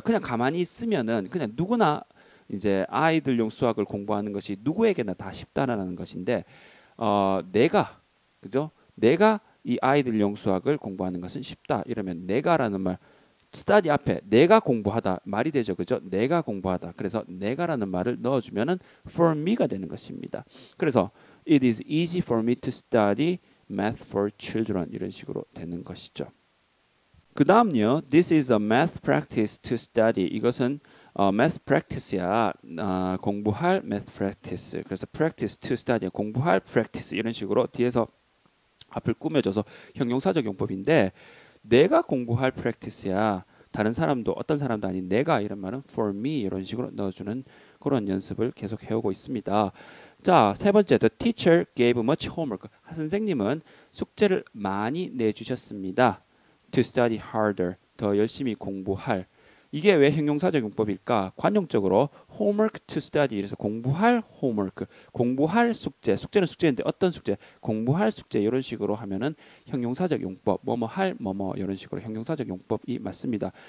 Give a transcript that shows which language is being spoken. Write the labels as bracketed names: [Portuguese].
[Korean] 그냥 가만히 있으면은 그냥 누구나 이제 아이들용 수학을 공부하는 것이 누구에게나 다 쉽다라는 것인데, 내가, 그죠? 내가 이 아이들용 수학을 공부하는 것은 쉽다. 이러면 내가라는 말, study 앞에 내가 공부하다. 말이 되죠, 그죠? 내가 공부하다. 그래서 내가라는 말을 넣어주면은 for me가 되는 것입니다. 그래서 [English] It is easy for me to study math for children. [Korean] 이런 식으로 되는 것이죠. 그 다음요. [English] This is a math practice to study. [Korean] 이것은 math practice야. 공부할 [English] math practice. [Korean] 그래서 [English] practice to study. [Korean] 공부할 practice. 이런 식으로 뒤에서 앞을 꾸며줘서 형용사적 용법인데, 내가 공부할 practice야. 다른 사람도, 어떤 사람도 아닌 내가 이런 말은 for me. 이런 식으로 넣어주는 그런 연습을 계속 해오고 있습니다. 자, 세 번째, [English] the teacher gave much homework. [Korean] 선생님은 숙제를 많이 내주셨습니다. [English] To study harder, [Korean] 더 열심히 공부할. 이게 왜 형용사적 용법일까? 관용적으로 [English] homework to study, [Korean] 이래서 공부할 homework, 공부할 숙제, 숙제는 숙제인데 어떤 숙제? 공부할 숙제, 이런 식으로 하면은 형용사적 용법, 뭐뭐 할, 뭐뭐, 이런 식으로 형용사적 용법이 맞습니다.